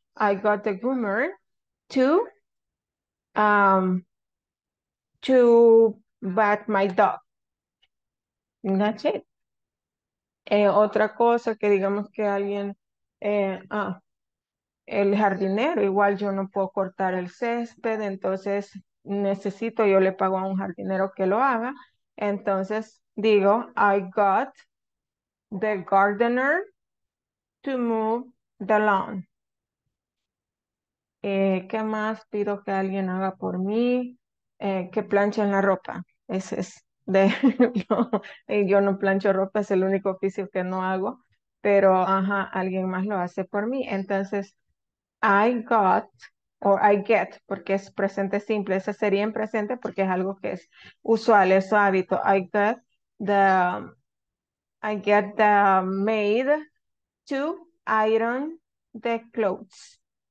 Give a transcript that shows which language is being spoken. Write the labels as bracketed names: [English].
[English] I got the groomer to bath my dog. That's it. [Spanish] Otra cosa que digamos que alguien, el jardinero, igual yo no puedo cortar el césped, entonces necesito, yo le pago a un jardinero que lo haga. Entonces digo, [English] I got the gardener to move the lawn. [Spanish] ¿Qué más pido que alguien haga por mí? Que planchen la ropa. Ese es de yo no plancho ropa, es el único oficio que no hago, pero ajá, alguien más lo hace por mí. Entonces, [English] I got [Spanish] o [English] I get, [Spanish] porque es presente simple. Ese sería en presente porque es algo que es usual, es su hábito. [English] I get the maid to iron the clothes.